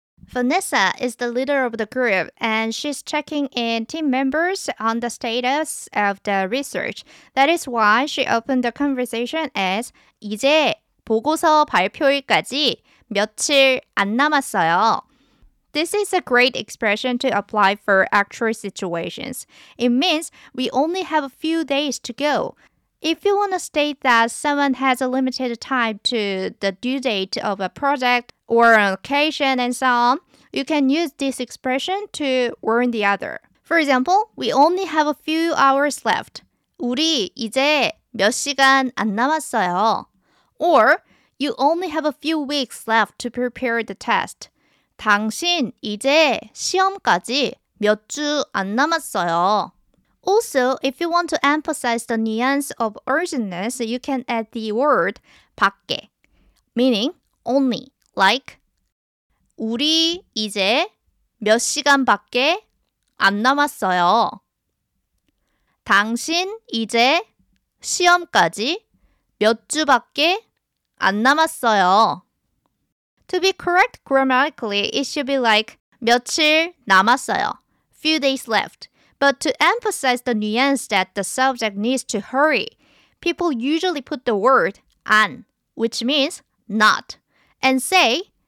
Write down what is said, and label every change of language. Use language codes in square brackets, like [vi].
[en] Vanessa is the leader of the group, and she's checking in team members on the status of the research. That is why she opened the conversation as [ko] 이제 보고서 발표일까지 며칠 안 남았어요. [en] This is a great expression to apply for actual situations. It means we only have a few days to go. If you want to state that someone has a limited time to the due date of a project or an occasion and so on, you can use this expression to warn the other. For example, we only have a few hours left. [ko] 우리 이제 몇 시간 안 남았어요. [en] Or, you only have a few weeks left to prepare the test. [ko] 당신 이제 시험까지 몇 주 안 남았어요. [en] Also, if you want to emphasize the nuance of urgentness, you can add the word 밖에, meaning only, like [ko] 우리 이제 몇 시간밖에 안 남았어요. 당신 이제 시험까지 몇 주밖에 안 남았어요. [en] To be correct grammatically, it should be like [ko] 며칠 남았어요, [en] few days left. But to emphasize the nuance that the subject needs to hurry, people usually put the word 안, which means not, and say